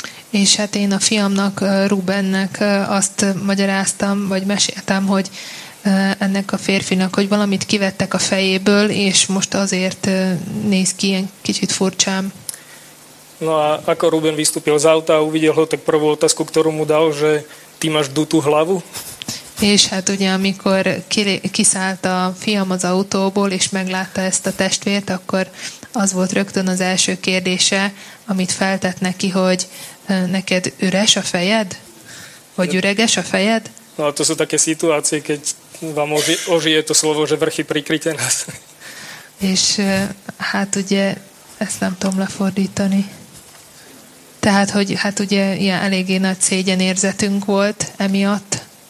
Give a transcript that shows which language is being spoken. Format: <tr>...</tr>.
<hu>És hát én a fiamnak, Rubennek azt magyaráztam, vagy meséltem, hogy ennek a férfinak, hogy valamit kivettek a fejéből, és most azért néz ki ilyen kicsit furcsám.</hu> <sk>No a ako Ruben vystúpil z auta a uvidel ho, tak prvú otázku, ktorú mu dal, že ty máš dutú hlavu?</sk> <hu>És hát ugye, amikor kiszállt a fiam az autóból, és meglátta ezt a testvért, akkor az volt rögtön az első kérdése, amit feltett neki, hogy neked üres a fejed? Vagy üreges a fejed?</hu> <sk>No a to sú také situácie, keď vám ožije to slovo, že vrchy prikryte nás.</sk> <hu>És hát ugye, ezt nem tudom lefordítani. Tehát, hogy hát ugye ilyen eléggé nagy szégyenérzetünk volt emiatt.</hu>